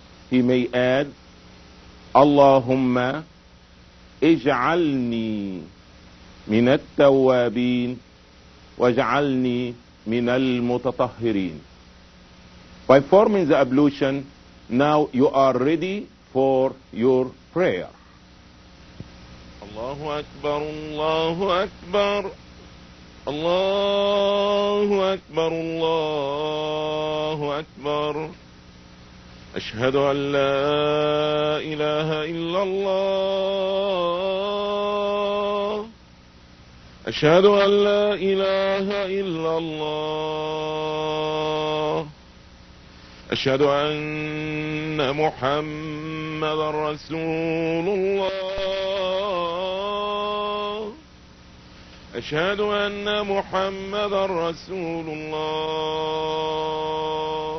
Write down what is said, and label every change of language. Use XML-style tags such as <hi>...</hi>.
<en>He may add,</en> <ar>اللهم اجعلني من التوابين واجعلني من المتطهرين.</ar> <en>By forming the ablution, now you are ready for your prayer.</en> <ar>الله أكبر الله أكبر الله أكبر الله أكبر أشهد أن لا إله إلا الله أشهد أن لا إله إلا الله أشهد أن محمد رسول الله أشهد أن محمد رسول الله</ar>